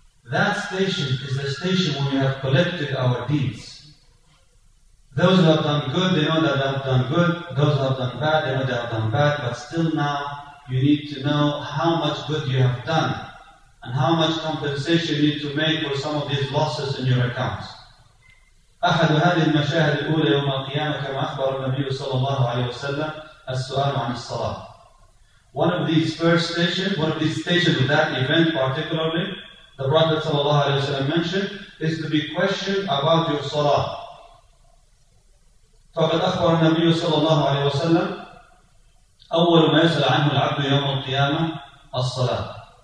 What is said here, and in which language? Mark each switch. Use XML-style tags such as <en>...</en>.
<en>That station is the station where we have collected our deeds. Those who have done good, they know that they have done good. Those who have done bad, they know they have done bad. But still now, you need to know how much good you have done and how much compensation you need to make for some of these losses in your accounts.</en> <ar>أحد هذه المشاهد الأولى يوم القيامة كما أخبر النبي صلى الله عليه وسلم السؤال عن الصلاة.</ar> <en>One of these first stations, one of these stations of that event particularly, the Prophet ﷺ mentioned, is to be questioned about your salah.</en> <ar>فَقَدْ أَخْبَرَ النَّبِيُّ صَلَى اللَّهُ عَلَيْهِ وَسَلَّمُ أَوَّلُ مَا يَسْأَلَ عَنْهُ الْعَبْدُ يَوْمَ الْقِيَامَةِ الصَّلَاةِ.</ar>